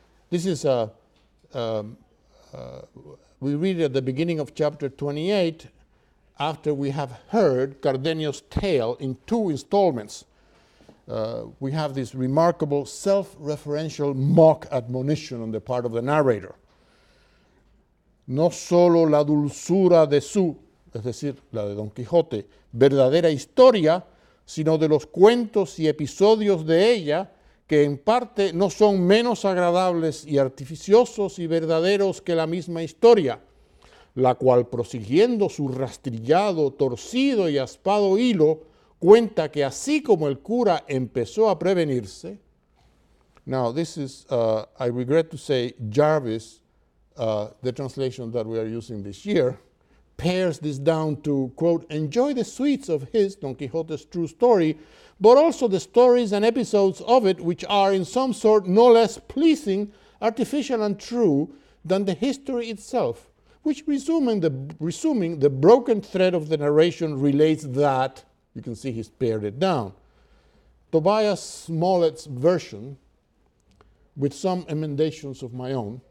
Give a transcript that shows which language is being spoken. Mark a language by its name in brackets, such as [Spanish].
[English] This is a we read at the beginning of chapter 28, after we have heard Cardenio's tale in two installments. We have this remarkable self-referential mock admonition on the part of the narrator. [Spanish] No solo la dulzura de su, es decir, la de Don Quijote, verdadera historia, sino de los cuentos y episodios de ella, que en parte no son menos agradables y artificiosos y verdaderos que la misma historia, la cual prosiguiendo su rastrillado, torcido y aspado hilo, cuenta que así como el cura empezó a prevenirse. [English] Now this is, I regret to say, Jarvis, the translation that we are using this year, pairs this down to, quote, enjoy the sweets of his, Don Quixote's true story, but also the stories and episodes of it which are in some sort no less pleasing, artificial and true than the history itself, which resuming the broken thread of the narration relates that, you can see he's pared it down, Tobias Smollett's version with some emendations of my own.